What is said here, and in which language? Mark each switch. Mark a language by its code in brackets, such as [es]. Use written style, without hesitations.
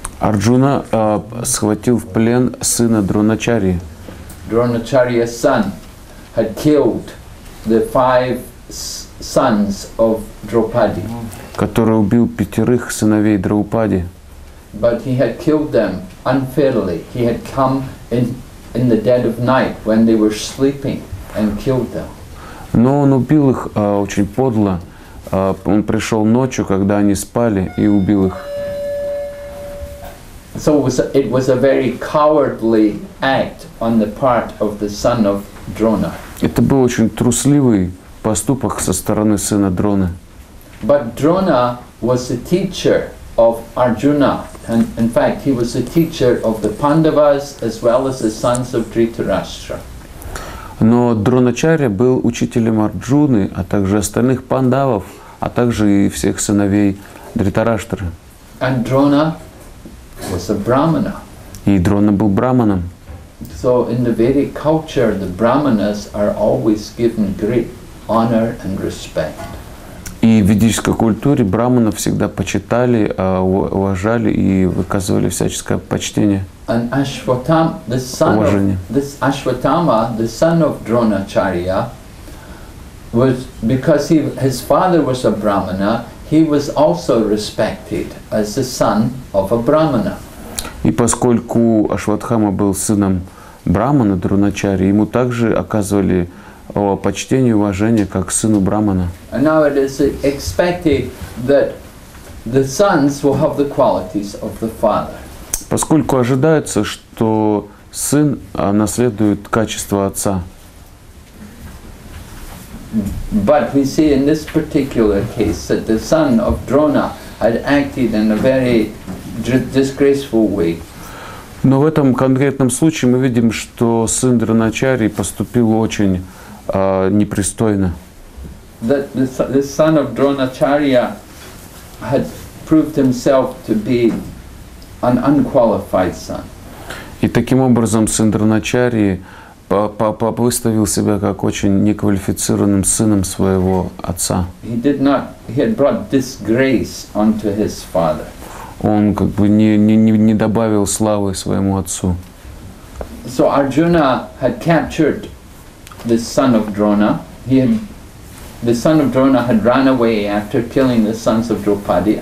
[ru] Арджуна схватил в плен сына Дроначарьи. [en] Дроначарья's son had killed the five sons of Draupadi. [ru] Который убил пятерых сыновей Драупади. [en] But he had killed them unfairly. He had come in the dead of night when they were sleeping and killed them. [ru] Но он убил их очень подло. Он пришел ночью, когда они спали, и убил их. [en] So it was a very cowardly act on the part of the son of Drona. [ru] Это был очень трусливый поступок со стороны сына Дроны. [en] But Drona was a teacher of Arjuna, and in fact he was a teacher of the Pandavas as well as the sons of Dhritarashtra. [ru] Но Дроначарья был учителем Арджуны, а также остальных пандавов, а также и всех сыновей Дритараштры. [en] And Drona was a brahmana. [ru] И Дрона был браманом. [en] So in the Vedic culture, the brahmanas are always given great honor and respect. [ru] И в ведической культуре брахманов всегда почитали, уважали и выказывали всяческое почтение. [en] And Ashwatthama, the son of Dronacharya, was because his father was a brahmana, he was also respected as the son of a brahmana. [ru] И поскольку Ашватхама был сыном брахмана Дроначарьи, ему также оказывали почтение и уважение как сыну брахмана. [en] And now it is expected that the sons will have the qualities of the father. [ru] Поскольку ожидается, что сын наследует качество отца. [en] But we see in this particular case that the son of Drona had acted in a very disgraceful way. [ru] Но в этом конкретном случае мы видим, что сын Дроначарьи поступил очень непристойно. [en] That the son of Dronacharya had proved himself to be an unqualified son. [ru] И таким образом сын Дроначарьи выставил себя как очень неквалифицированным сыном своего отца. [en] He had brought disgrace onto his father. [ru] Он как бы не добавил славы своему отцу. [en] So Arjuna had captured the son of Drona. The son of Drona had run away after killing the sons of Draupadi.